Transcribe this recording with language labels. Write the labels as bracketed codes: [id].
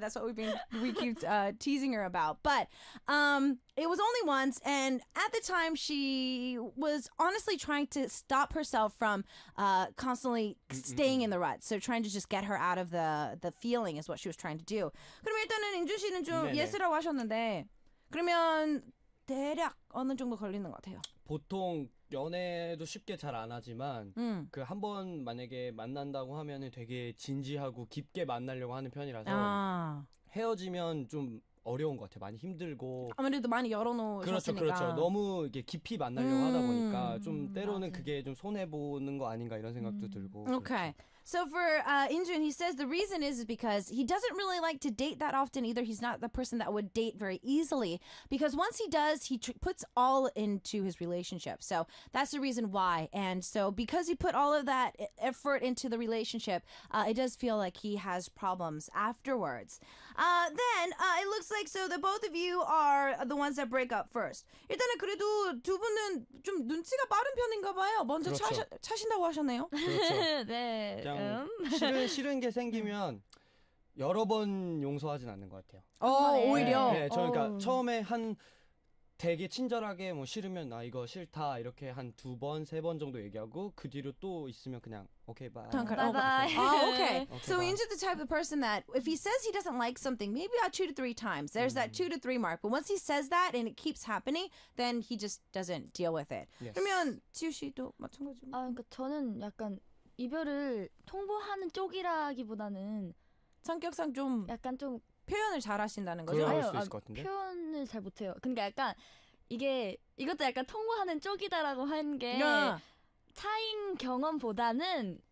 [en] That's what we keep teasing her about. But it was only once, and at the time she was honestly trying to stop herself from constantly staying in the rut. So trying to just get her out of the feeling is what she was trying to do. [ko] 그러면 일단은 인준 씨는 좀 예스라고 하셨는데 그러면 대략 어느 정도 걸리는 것 같아요? 보통 연애도 쉽게 잘 안 하지만 그 한 번 만약에 만난다고 하면은 되게 진지하고 깊게 만나려고 하는 편이라서 아. 헤어지면 좀 어려운 것 같아요. 많이 힘들고 아무래도 많이 열어놓으셨으니까 그렇죠 그렇죠. 너무 이게 깊이 만나려고 하다 보니까 좀 때로는 맞아. 그게 좀 손해보는 거 아닌가 이런 생각도 들고 오케이. [en] So for Injun, he says the reason is because he doesn't really like to date that often either. He's not the person that would date very easily because once he does, he puts all into his relationship. So that's the reason why. And so because he put all of that effort into the relationship, it does feel like he has problems afterwards. Then it looks like so the both of you are the ones that break up first. [ko] 일단은 그래도 두 분은 좀 눈치가 빠른 편인가 봐요. 먼저 그렇죠. 차신다고 하셨네요. 그렇죠. 네. 그냥 싫은 게 생기면 여러 번 용서하진 않는 것 같아요. 오히려. 네, 저 그러니까 처음에 한 되게 친절하게 뭐 싫으면 나 이거 싫다 이렇게 한 두 번 세 번 정도 얘기하고 그 뒤로 또 있으면 그냥 오케이 바이. 오케이. [en] So Injun is the type of person that if he says he doesn't like something, maybe about 2 to 3 times, there's that 2 to 3 mark. But once he says that and it keeps happening, then he just doesn't deal with it. Yes. [ko] 그러면 지우 씨도 마찬가지. 아, 그러니까 저는 약간 이별을 통보하는 쪽이라기보다는 성격상 좀 약간 좀 표현을 잘하신다는 거죠? 그럴 수 있을 것 같은데? 표현을 잘 못해요. 그러니까 약간 이게 이것도 약간 통보하는 쪽이다라고 한 게 차인 경험보다는